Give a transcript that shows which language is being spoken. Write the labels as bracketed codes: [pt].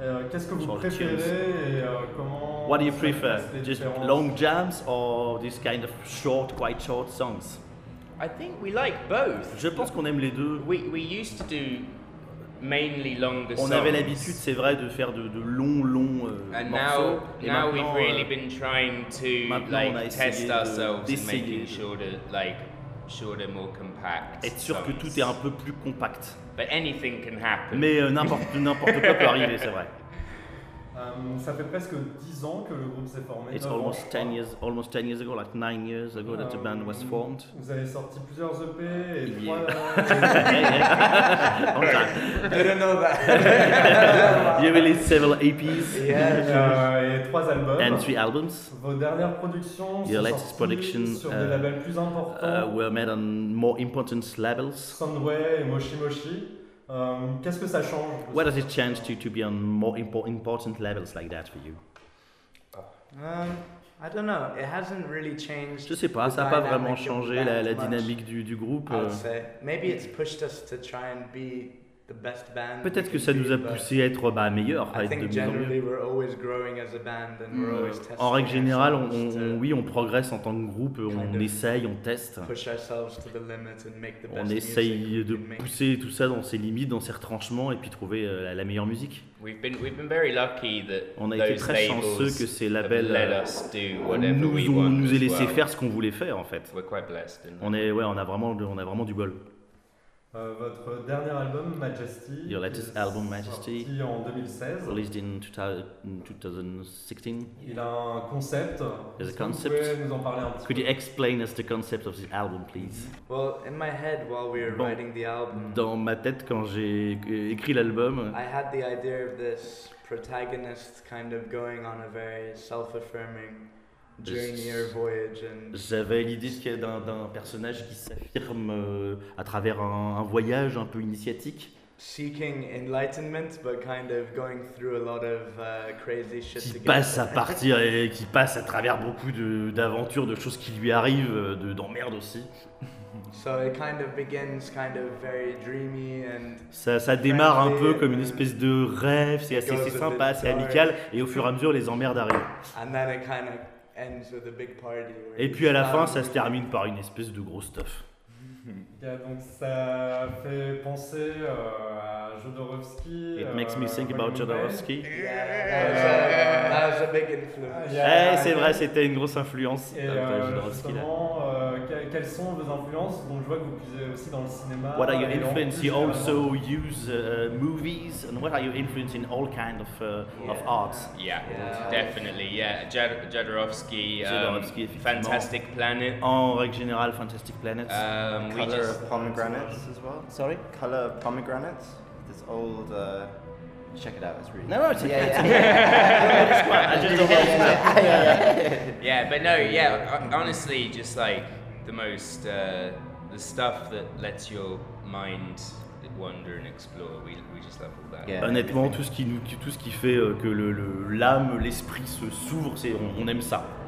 [fr] Qu'est-ce que vous préférez tunes. Et comment? [en] What do you prefer? Just long jams or this kind of short, quite short songs? I think we like both. [fr] Je pense qu'on aime les deux. [en] We used to do mainly longer songs. [fr] On avait l'habitude, c'est vrai, de faire de longs [en] and [fr] morceaux. [en] Now we've really been trying to like test ourselves and making shorter, more compact. [fr] Être sûr [en] songs. [fr] Que tout est un peu plus compact. [en] But anything can happen. [fr] Mais n'importe quoi peut arriver, c'est vrai. Ça fait presque 10 ans que le groupe s'est formé. [en] It's almost 10 years, almost 10 years ago, like 9 years ago that the band was formed. [fr] Vous avez sorti plusieurs EP et [en] trois. I didn't know that. You released several EPs. [fr] Yeah. Et trois albums. [en] And 3 albums. [fr] Vos dernières productions sont sorties sur des labels plus importants. [en] Were made on more important labels. [fr] Sunway et Moshi Moshi. Qu'est-ce que ça change? [en] What does it change to be on more important levels like that for you? I don't know. It hasn't really changed. [fr] Je sais pas, ça a pas vraiment changé la dynamique du groupe. [en] Maybe it's pushed us to try and be the best band. [fr] Peut-être que ça nous a poussé à être meilleur, à être de mieux en mieux. [en] We're always growing as a band and we're always testing. [fr] En règle générale, on progresse en tant que groupe, on essaye, on teste. [en] Push ourselves to the limit and make the best. [fr] On essaye de pousser tout ça dans ses limites, dans ses retranchements et puis trouver la meilleure musique. [en] We've been very lucky that [fr] on a été très chanceux que ces labels nous aient laissé faire ce qu'on voulait faire en fait. [en] We're quite blessed. [fr] On a vraiment du bol. Votre dernier album, Majesty, [en] your latest album, Majesty, [fr] sorti en 2016, [en] released in 2016. [fr] Il a un concept. [en] There's a concept. [fr] Vous pouvez nous en parler un petit peu. [en] Could you explain us the concept of this album, please? Well, in my head, while we were writing the album, [fr] dans ma tête quand j'ai écrit l'album, [en] I had the idea of this protagonist kind of going on a very self-affirming journey or voyage, and [fr] j'avais l'idée qu'il y a d'un personnage qui s'affirme à travers un voyage un peu initiatique. [en] Seeking enlightenment, but kind of going through a lot of crazy shit. [fr] Qui passe à partir et qui passe à travers beaucoup d'aventures, de choses qui lui arrivent, d'emmerdes aussi. [en] So it kind of begins kind of very dreamy and [fr] ça démarre un peu comme une espèce de rêve. C'est assez sympa, c'est amical, et au fur et à mesure les emmerdes arrivent. [en] And then it kind of ends with a big party. [fr] Et puis à la fin, ça se termine par une espèce de gros stuff. Yeah, donc ça fait penser à Jodorowsky. [en] It makes me think about Jodorowsky. Yeah, that was a big influence. [fr] Yeah, hey, c'est vrai, c'était une grosse influence. Et Jodorowsky, justement, quelles sont vos influences? Donc je vois que vous puisez aussi dans le cinéma. [en] What are your influences? You also use movies. And what are your influences in all kinds of arts? Yeah, definitely. Yeah, Jodorowsky. Jodorowsky, Fantastic Planet. [fr] En règle générale, Fantastic Planet. [en] Color of Pomegranates as well. Sorry? Color of Pomegranates. This old... check it out, it's really... No, no, it's honestly, just like the most... the stuff that lets your mind wander and explore, we just love all that. Yeah. [fr] Honnêtement, tout ce qui fait que l'âme, l'esprit se s'ouvre, c'est on aime ça.